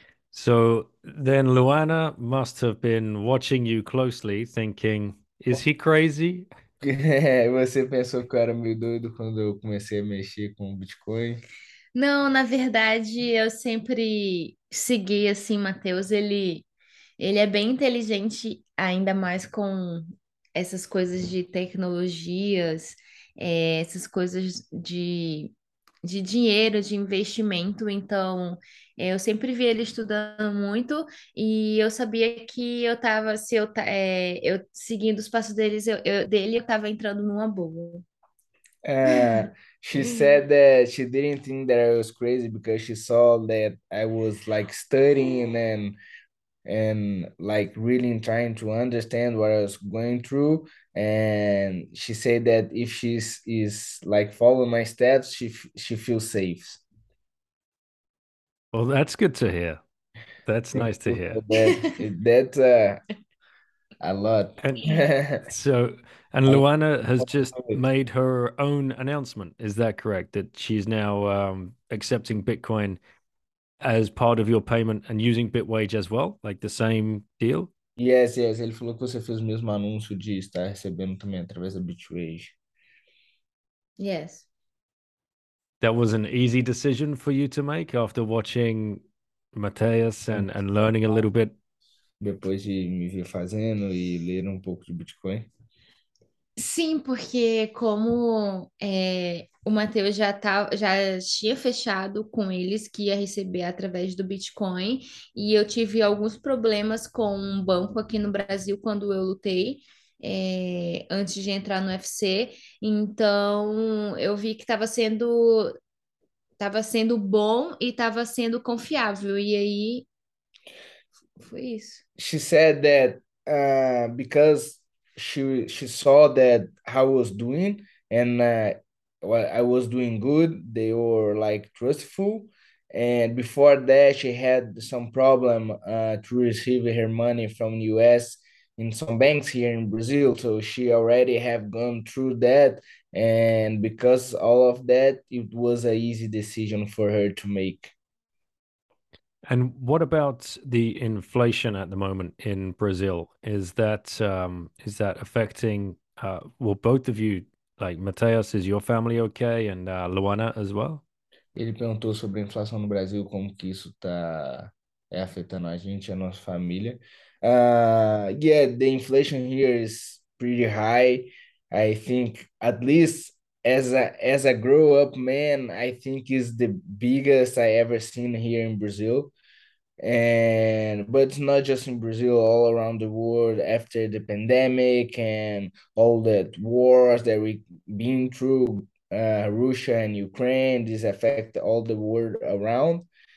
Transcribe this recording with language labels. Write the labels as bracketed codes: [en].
[en] so then Luana must have been watching you closely, thinking, is he crazy? [pt] Você pensou que eu era meio doido quando eu comecei a mexer com o Bitcoin? Não, na verdade, eu sempre segui assim, Mateus. Ele é bem inteligente, ainda mais com essas coisas de tecnologias, essas coisas de dinheiro, de investimento. Então, eu sempre vi ele estudando muito e eu sabia que eu tava, se eu, eu seguindo os passos dele, eu tava entrando numa boa. [en] She said that she didn't think that I was crazy because she saw that I was like studying and like really trying to understand what I was going through. And she said that if she's is like following my steps, she feels safe. Well, that's good to hear. That's nice to hear. A lot. And so, and Luana has just made her own announcement. Is that correct? That she's now accepting Bitcoin as part of your payment and using Bitwage as well, like the same deal? Yes, yes. [pt] Ele falou que você fez o mesmo anúncio de estar recebendo também através da Bitwage. [en] Yes. That was an easy decision for you to make after watching Matheus and learning a little bit. [pt] Depois de me ver fazendo e ler um pouco de Bitcoin. Sim, porque como o Matheus já tinha fechado com eles que ia receber através do Bitcoin, e eu tive alguns problemas com um banco aqui no Brasil quando eu lutei, antes de entrar no UFC, então eu vi que estava sendo bom e estava sendo confiável, e aí foi isso. [en] She said that because she saw that how I was doing and I was doing good, they were like trustful, and before that she had some problem to receive her money from the US in some banks here in Brazil, so she already have gone through that, and because all of that, it was an easy decision for her to make. And what about the inflation at the moment in Brazil? Is that affecting well, both of you, like Mateus, is your family okay, and Luana as well? [pt] Ele perguntou sobre a inflação no Brasil, como que isso tá afetando a gente, a nossa família. [en] The inflation here is pretty high. I think at least as a grow up man, I think is the biggest I ever seen here in Brazil. And but it's not just in Brazil, all around the world after the pandemic and all that wars that we've been through, Russia and Ukraine, this affect all the world around.